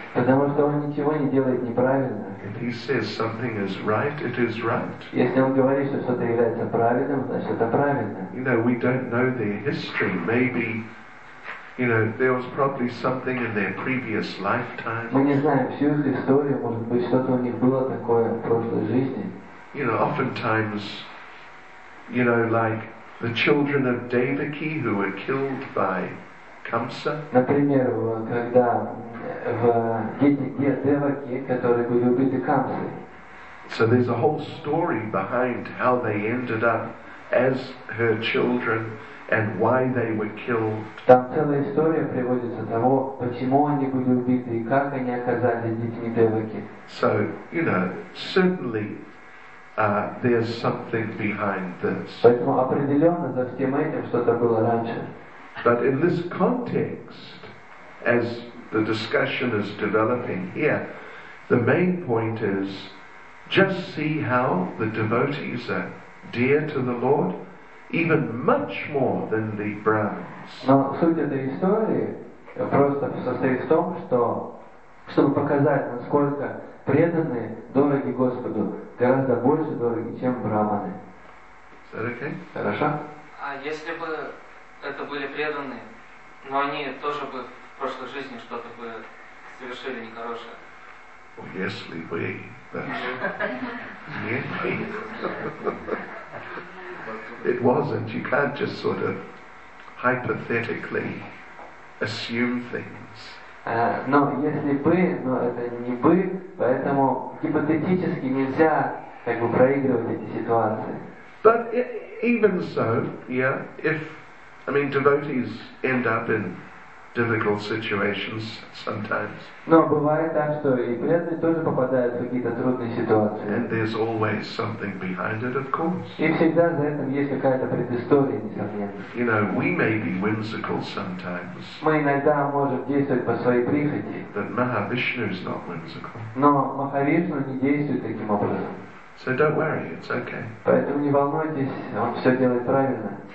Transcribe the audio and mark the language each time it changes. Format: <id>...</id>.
<ru>Потому что он ничего не делает неправильно.</ru> <en>If he says something is right, it is right.</en> <ru>Если он говорит, что что-то является правильным, значит это правильно.</ru> <en>You know, we don't know their history. Maybe, you know, there was probably something in their previous lifetime.</en> <ru>Мы не знаем всю их историю. Может быть, что-то у них было такое в прошлой жизни.</ru> <en>You know, oftentimes, you know, like the children of Devaki who were killed by Камса.</en> <ru>Например, когда в Гетике Деваки, которые были убиты Камсой.</ru> <en>So there's a whole story behind how they ended up as her children and why they were killed.</en> <ru>Там целая история приводится того, почему они были убиты и как они оказались детьми Деваки.</ru> <en>So, you know, certainly there's something behind this.</en> <ru>Поэтому определенно за всем этим что-то было раньше.</ru> <en>But in this context, as the discussion is developing here, the main point is just see how the devotees are dear to the Lord, even much more than the Brahmins.</en> <ru>Но суть этой истории просто состоит в том, что чтобы показать, насколько преданные дороги Господу, гораздо больше дороги, чем Брахманы.</ru> <en>Is that okay?</en> <ru>Хорошо. А если бы это были преданные, но они тоже бы в прошлой жизни что-то бы совершили нехорошее?</ru> <en>Well,</en> <ru>если бы, если.</ru> <en>It wasn't. You can't just sort of hypothetically assume things.</en> <ru>Но если бы, но это не бы, поэтому гипотетически нельзя как бы проигрывать эти ситуации.</ru> <en>But even so, yeah, if, I mean, devotees end up in difficult situations sometimes.</en> <ru>Но бывает так, что и преданные тоже попадают в какие-то трудные ситуации.</ru> <en>And there's always something behind it, of course.</en> <ru>И всегда за этим есть какая-то предыстория, несомненно.</ru> <en>You know, we may be whimsical sometimes.</en> <ru>Мы иногда можем действовать по своей прихоти.</ru> <en>But Mahavishnu is not whimsical.</en> <ru>Но Махавишну не действует таким образом.</ru> <en>So don't worry, it's okay.</en> <ru>Поэтому не волнуйтесь, он все делает правильно.</ru>